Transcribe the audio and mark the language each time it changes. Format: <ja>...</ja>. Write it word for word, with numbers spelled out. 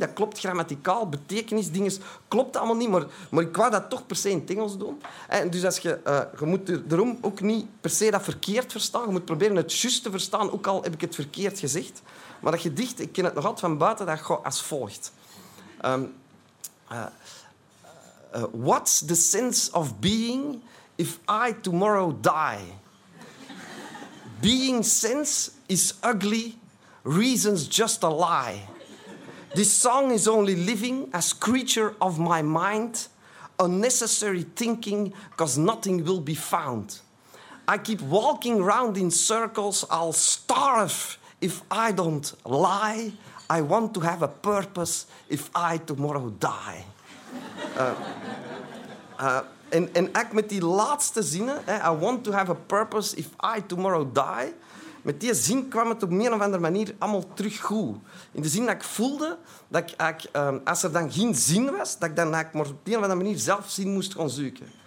<nl>Dat klopt grammaticaal, betekenis, dingen klopt allemaal niet. Maar, maar ik wou dat toch per se in het Engels doen. En dus als je, uh, je moet daarom ook niet per se dat verkeerd verstaan. Je moet proberen het juist te verstaan, ook al heb ik het verkeerd gezegd. Maar dat gedicht, ik ken het nog altijd van buiten, dat gaat als volgt.</nl> <en>Um, uh, uh, what's the sense of being... if I tomorrow die? Being sense is ugly, reason's just a lie. This song is only living as creature of my mind, unnecessary thinking, cause nothing will be found. I keep walking round in circles, I'll starve if I don't lie. I want to have a purpose if I tomorrow die. Uh, uh,</en> <nl>En, en eigenlijk met die laatste zinnen,</nl> <en>I want to have a purpose if I tomorrow die,</en> <nl>met die zin kwam het op een of andere manier allemaal terug goed. In de zin dat ik voelde dat ik, als er dan geen zin was, dat ik dan maar op een of andere manier zelf zin moest gaan zoeken.</nl>